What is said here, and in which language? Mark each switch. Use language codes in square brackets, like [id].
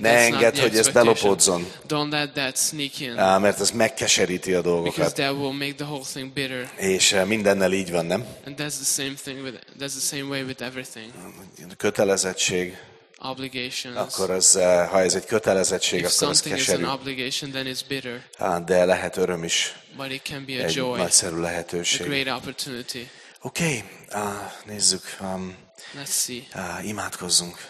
[hu] Ne engedd, hogy ez belopódzon. [en] Don't let that sneak in. [hu] Mert ez megkeseríti a dolgokat. [en] Because that will make the whole thing bitter. [hu] És mindennel így van, nem? [en] And that's the same thing with, that's the same way with everything. [hu] Kötelezettség. [en] Obligations. [hu] Akkor az, ha ez egy kötelezettség, [en] if [hu] akkor az keserű. [en] Is an obligation, then it's bitter. [hu] De lehet öröm is. [en] But it can be a [hu] egy [en] joy. [hu] Nagyszerű lehetőség. [en] A great opportunity. [hu] Oké, nézzük. [en] Let's see. [hu] Imádkozzunk.